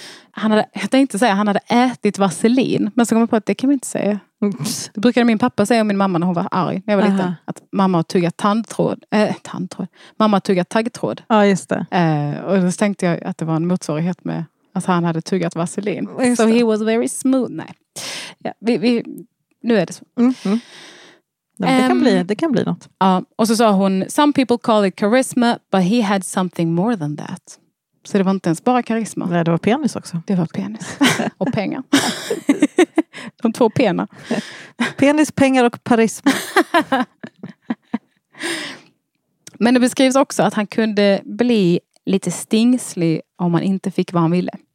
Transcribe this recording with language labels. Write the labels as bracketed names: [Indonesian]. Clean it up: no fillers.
[Swedish] Han hade, jag tänkte säga, han hade ätit vaselin. Men så kom jag på att det kan man inte säga. Det brukade min pappa säga om min mamma när hon var arg när jag var liten. Att mamma har tuggat tandtråd. Mamma har tuggat taggtråd. Ja, just det. Och då tänkte jag att det var en motsvarighet med att han hade tuggat vaselin. Just so det. [English] He was very smooth. [Swedish] Nej. Ja, nu är det så. Mm. Mm. Nej, det kan bli något. Och så sa hon, [English] some people call it charisma, but he had something more than that. [Swedish] Så det var inte ens bara karisma. Nej, det var penis också. Det var penis. Och pengar. De två pena. Penis, pengar och parisma. Men det beskrivs också att han kunde bli lite stingslig om man inte fick vad han ville.